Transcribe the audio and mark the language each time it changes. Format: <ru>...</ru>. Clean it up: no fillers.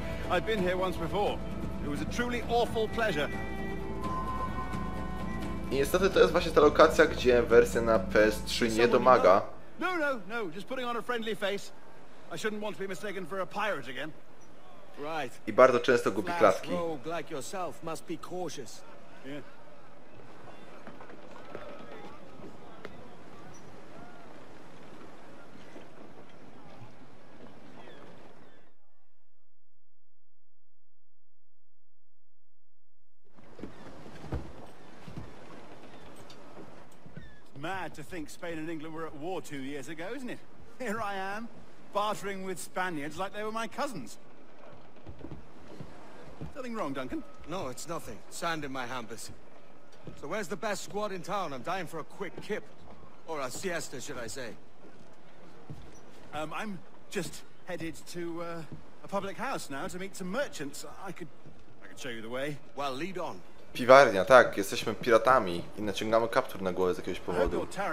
<en>I've been here once before. It was a truly awful pleasure.</en> <pl>I niestety to jest właśnie ta lokacja, gdzie wersja na PS3 nie domaga.</pl> <en>No, just putting on a friendly face. I shouldn't want to be mistaken for a pirate again. Right.</en> <pl>I bardzo często głupi klatki.</pl> <en>Like yourself must be cautious. Mad to think Spain and England were at war 2 years ago, isn't it? Here I am, bartering with Spaniards like they were my cousins. Nothing wrong, Duncan? No, it's nothing. Sand in my hampers. So where's the best squad in town? I'm dying for a quick kip. Or a siesta, should I say. I'm just headed to a public house now to meet some merchants. I could show you the way. Well, lead on.</en> <pl>Piwarnia, tak, jesteśmy piratami i naciągamy kaptur na głowę z jakiegoś powodu.</pl>